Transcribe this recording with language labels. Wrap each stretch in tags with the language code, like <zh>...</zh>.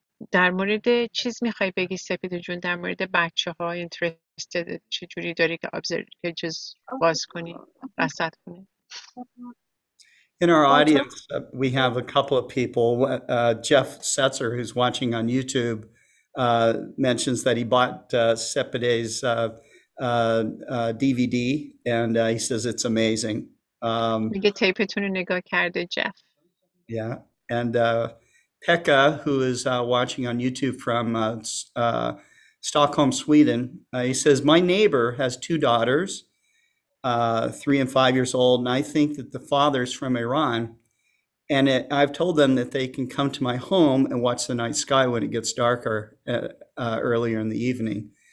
<fa>در مورد چیز میخوای بگی سپید جون؟ در مورد بچه ها اینترستد چجوری داری که ابزرویشنز باز کنی رصد کنی؟</fa> <en>In our</en> <fa>بچه</fa> <en>audience, we have a couple of people. Jeff Setzer, who's watching on YouTube, mentions that he bought Sepideh's DVD, and he says it's amazing.</en> <fa>میگه تیپتون رو نگاه کرده جف.</fa> <en>Yeah, and Pekka, who is watching on YouTube from Stockholm, Sweden, he says my neighbor has two daughters. 3 and 5 years old, and I think that the father's from Iran. And I've told them that they can come to my home and watch the night sky when it gets darker earlier in the evening.</en>